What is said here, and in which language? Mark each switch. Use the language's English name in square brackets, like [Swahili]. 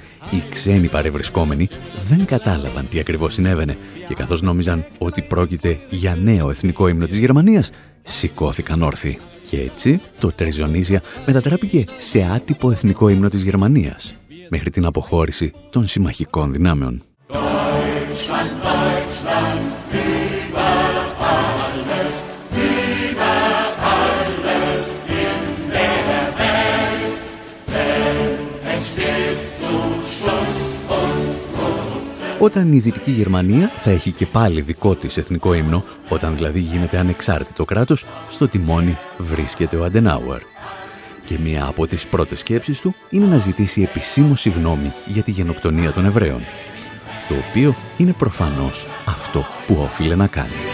[Greek] Οι ξένοι παρευρισκόμενοι δεν κατάλαβαν τι ακριβώς συνέβαινε και καθώς νόμιζαν ότι πρόκειται για νέο εθνικό ύμνο της Γερμανίας, σηκώθηκαν όρθιοι. Και έτσι το Τριζονίζια μετατράπηκε σε άτυπο εθνικό ύμνο της Γερμανίας, μέχρι την αποχώρηση των συμμαχικών δυνάμεων. [German] Deutschland, Deutschland, über alles, über alles in der Welt. Denn es steht zu Schuss und Tod. [Greek] Όταν η Δυτική Γερμανία θα έχει και πάλι δικό της εθνικό ύμνο, όταν δηλαδή γίνεται ανεξάρτητο κράτος, στο τιμόνι βρίσκεται ο Αντενάουερ. Και μία από τις πρώτες σκέψεις του είναι να ζητήσει επισήμως συγγνώμη για τη γενοκτονία των Εβραίων. Το οποίο είναι προφανώς αυτό που όφιλε να κάνει.